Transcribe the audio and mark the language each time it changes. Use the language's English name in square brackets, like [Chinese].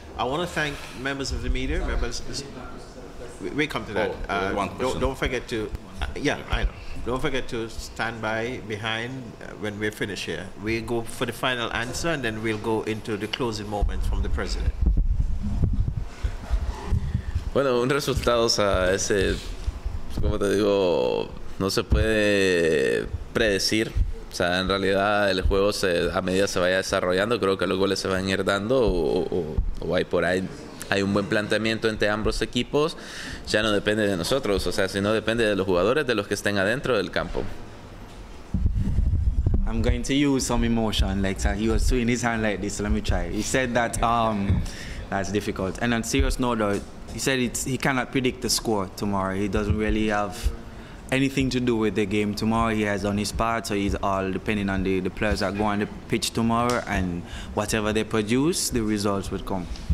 [English] I want to thank members of the media. We come to that. Don't forget to, I know. Don't forget to stand by behind when we finish here. We go for the final answer and then we'll go into the closing moments from the president. [Spanish] Bueno, un resultado, o sea, ese, como te digo, no se puede predecir. O sea, en realidad el juego se, a medida se vaya desarrollando, creo que los goles se van a ir dando o hay por ahí, hay un buen planteamiento entre ambos equipos, ya no depende de nosotros, o sea, sino depende de los jugadores, de los que estén adentro del campo. [English] I'm going to use some emotion, like he was doing his hand like this, let me try. He said that that's difficult. And on serious note though, he said he cannot predict the score tomorrow, he doesn't really have anything to do with the game tomorrow. He has done his part, so he's all depending on the players that go on the pitch tomorrow, and whatever they produce, the results would come.